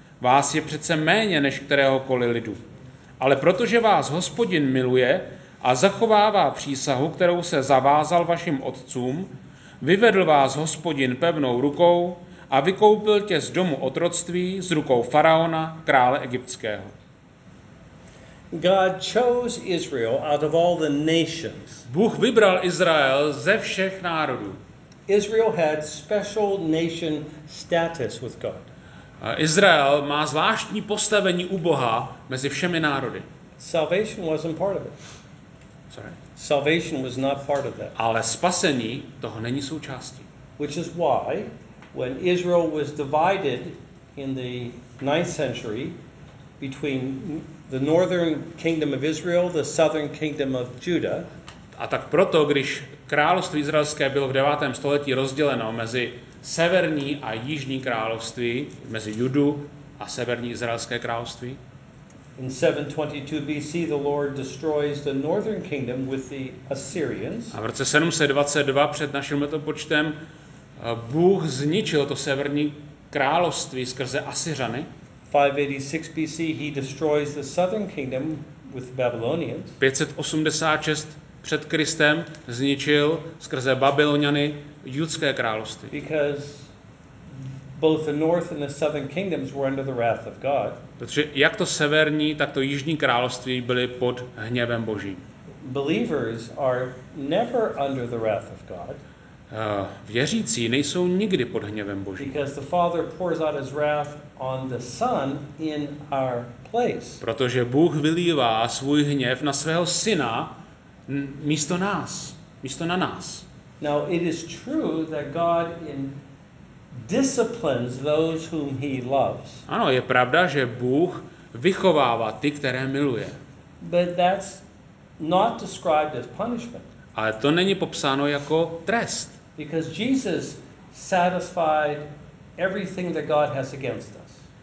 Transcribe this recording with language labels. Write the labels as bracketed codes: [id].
[cs] Vás je přece méně než kteréhokoliv lidu. Ale protože vás Hospodin miluje a zachovává přísahu, kterou se zavázal vašim otcům, vyvedl vás Hospodin pevnou rukou a vykoupil tě z domu otroctví s rukou faraona, krále egyptského. [en] God chose Israel out of all the nations. [cs] Bůh vybral Izrael ze všech národů. [en] Israel had special nation status with God. [cs] Izrael má zvláštní postavení u Boha mezi všemi národy. [en] Salvation wasn't part of it. Sorry. Salvation was not part of that. [cs] Ale spasení toho není součástí. [en] Which is why when Israel was divided in the 9th century, between the northern kingdom of Israel, the southern kingdom of Judah. [cs] A tak proto, když království izraelské bylo v 9. století rozděleno mezi severní a jižní království, mezi Judu a severní izraelské království. [en] In 722 BC the Lord destroys the northern kingdom with the Assyrians. [cs] A v roce 722 před naším letopočtem Bůh zničil to severní království skrze Asyřany. [en] 586 BC he destroys the southern kingdom with Babylonians. [cs] 586 před Kristem zničil skrze Babyloniany judské království. [en] Because both the north and the southern kingdoms were under the wrath of God. [cs] Protože jak to severní, tak to jižní království byly pod hněvem Božím. [en] Believers are never under the wrath of God. [cs] Věřící nejsou nikdy pod hněvem Božím. [en] Because the Father pours out his wrath on the Son in our place. [cs] Protože Bůh vylívá svůj hněv na svého syna místo nás, místo na nás. [en] Now it is true that God in disciplines those whom he loves. [cs] Ano, je pravda, že Bůh vychovává ty, které miluje. [en] But that's not described as punishment. [cs] Ale to není popsáno jako trest. [en] Because Jesus satisfied everything that God has against us.